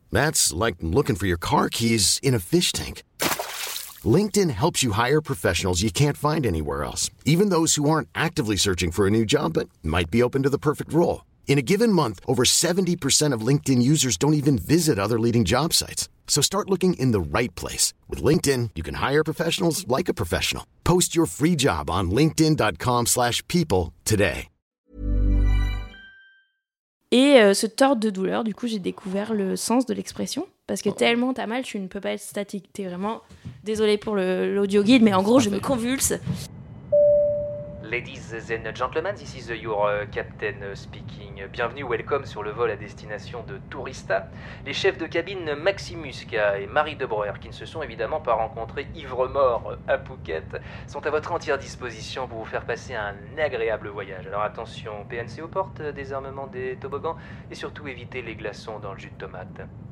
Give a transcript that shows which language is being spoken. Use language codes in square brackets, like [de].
[en] That's like looking for your car keys in a fish tank. LinkedIn helps you hire professionals you can't find anywhere else, even those who aren't actively searching for a new job but might be open to the perfect role. In a given month, over 70% of LinkedIn users don't even visit other leading job sites. So start looking in the right place. With LinkedIn, you can hire professionals like a professional. Post your free job on linkedin.com/people today. [fr] Et ce tort de douleur, du coup, j'ai découvert le sens de l'expression. Parce que tellement t'as mal, tu ne peux pas être statique. T'es vraiment... désolé pour l'audio guide, mais en gros, je me convulse. [en] Ladies and gentlemen, this is your captain speaking. [fr] Bienvenue, [en] welcome [fr] sur le vol à destination de Tourista. Les chefs de cabine Maximuska et Marie Debreuer, qui ne se sont évidemment pas rencontrés ivre-mort à Phuket, sont à votre entière disposition pour vous faire passer un agréable voyage. Alors attention, PNC aux portes, désarmement des toboggans, et surtout évitez les glaçons dans le jus de tomate.